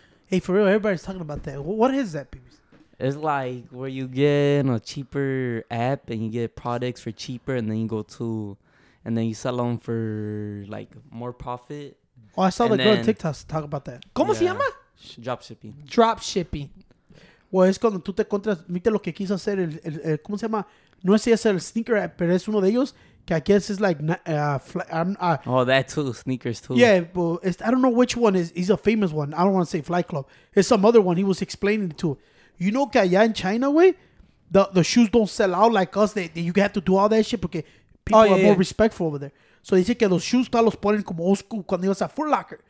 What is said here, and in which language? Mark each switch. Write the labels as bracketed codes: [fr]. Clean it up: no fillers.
[en] Hey, for real, everybody's talking about that. What is that, people? It's like where you get a cheaper app and you get products for cheaper and then you go to, and then you sell them for like more profit. Oh, I saw the girl on TikTok talk about that. [es] ¿Cómo se llama? [en] Drop shipping. [es] Well, es cuando tú te encuentras, mire lo que quiso hacer el ¿cómo se llama? No sé si es el sneaker app, pero es uno de ellos que [en] I guess is like, that too, sneakers too. Yeah, but it's, I don't know which one is, he's a famous one. I don't want to say Fly Club. It's some other one he was explaining to. You know, allá in China, way, the shoes don't sell out like us. They you have to do all that shit because people are more respectful over there. So they say [es] que los shoes los ponen como old school cuando ibas a Foot Locker.